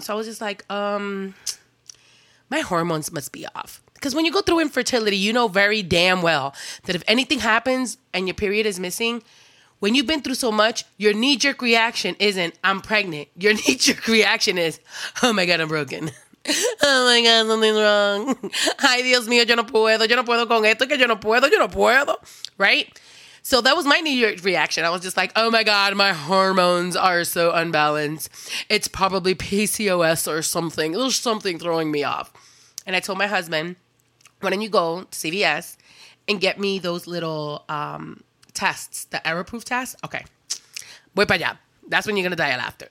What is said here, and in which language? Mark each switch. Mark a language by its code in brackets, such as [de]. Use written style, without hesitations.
[en] So I was just like, my hormones must be off. Because when you go through infertility, you know very damn well that if anything happens and your period is missing, when you've been through so much, your knee-jerk reaction isn't, I'm pregnant. Your knee-jerk reaction is, oh my God, I'm broken. Oh my God, something's wrong. [es] Ay, Dios mío, yo no puedo con esto, que yo no puedo. [en] Right? So that was my knee-jerk reaction. I was just like, oh my God, my hormones are so unbalanced. It's probably PCOS or something. There's something throwing me off. And I told my husband, why don't you go to CVS and get me those little tests, the error-proof tests? Okay. [es] Voy para allá. [en] That's when you're going to die of laughter.